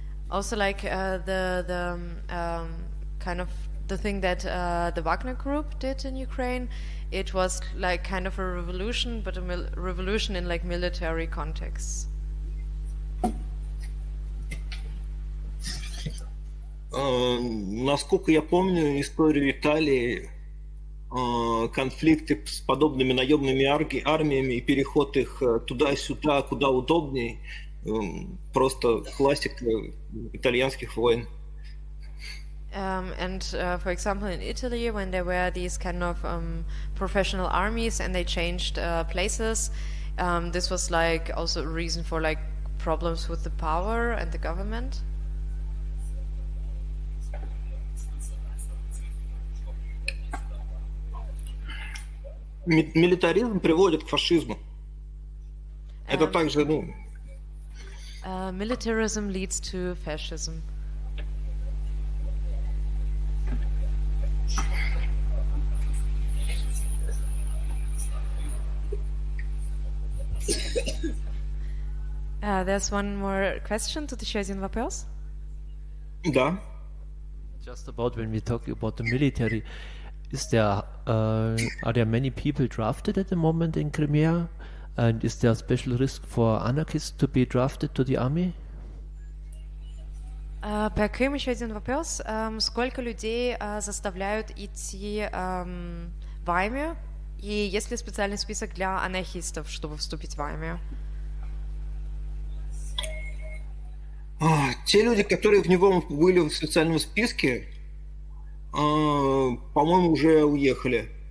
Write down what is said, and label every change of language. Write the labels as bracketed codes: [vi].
[en] Also, like kind of the thing that the Wagner Group did in Ukraine, it was like kind of a revolution, but a revolution in like military contexts. [ru] Насколько я помню историю Италии, конфликты с подобными наемными армиями и переход их туда-сюда, куда удобней. Просто классик итальянских войн. [en] For example, in Italy, when there were these kind of professional armies and they changed places, this was like also a reason for like problems with the power and the government. [ru] Милитаризм приводит к фашизму. Это также, ну. [en] Militarism leads to fascism. There's one more question to the Shazian Vapels. [ru] Да. [en] Just about when we talk about the military, is there are there many people drafted at the moment in Crimea? And is there a special risk for anarchists to be drafted to the army? [ru] По Крыму еще один вопрос. Сколько людей заставляют идти в армию? И есть ли специальный список для анархистов, чтобы вступить в армию? Те люди, которые в него были в специальном списке, по-моему, уже уехали.